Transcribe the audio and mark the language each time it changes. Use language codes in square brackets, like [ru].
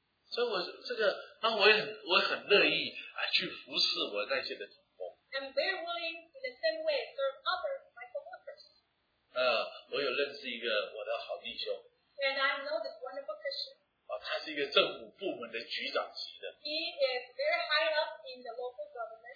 [zh] 所以我很乐意去服侍我那些的同工。 [en] I'm very willing in the same way to serve others, my co-workers. [zh] 我有认识一个我的好弟兄。 [en] And I know this wonderful Christian. [zh] 他是一个政府部门的局长级的。 [en] He is very high up in the local government.